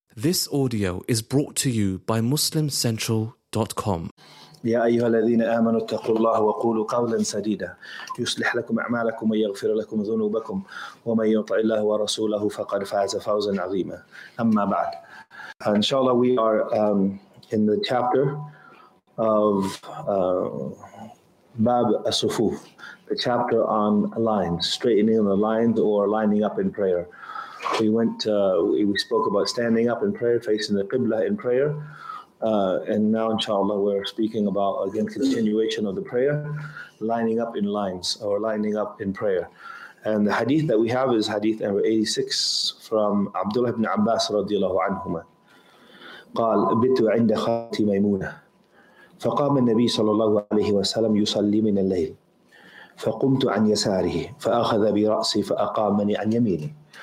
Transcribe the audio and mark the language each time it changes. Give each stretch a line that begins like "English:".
English: This audio is brought to you by MuslimCentral.com.
Arabic: يا أيها الذين آمنوا اتقوا الله وقولوا قولا سديدا يصلح لكم أعمالكم ويغفر لكم ذنوبكم ومن يطع الله ورسوله فقد فاز فوزا عظيما. أما بعد, إن شاء الله
English: we are in the chapter of Bab As-Sufuf, the chapter on lines, straightening the lines or lining up in prayer. We went. We spoke about standing up in prayer, facing the Qibla in prayer. And now, inshallah, we're speaking about, again, continuation of the prayer, lining up in lines, or lining up in prayer. And the hadith that we have is hadith number 86 from Abdullah ibn Abbas radiallahu anhuma.
Arabic: قال بيت عند خالتي ميمونة فقام النبي صلى الله عليه وسلم يصلي من الليل فقمت عن يساره فأخذ برأسي فأقامني عن يميني.